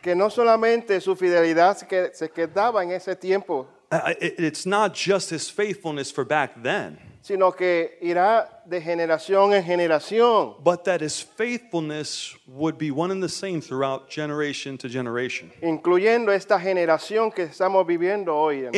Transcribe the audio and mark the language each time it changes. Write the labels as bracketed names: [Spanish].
[Spanish] Que no solamente su fidelidad se quedaba en ese tiempo. [English] It's not just his faithfulness for back then. [Spanish] Sino que irá de generación en generación. [English] But that his faithfulness would be one and the same throughout generation to generation. [Spanish] Incluyendo esta generación que estamos viviendo hoy, hermano.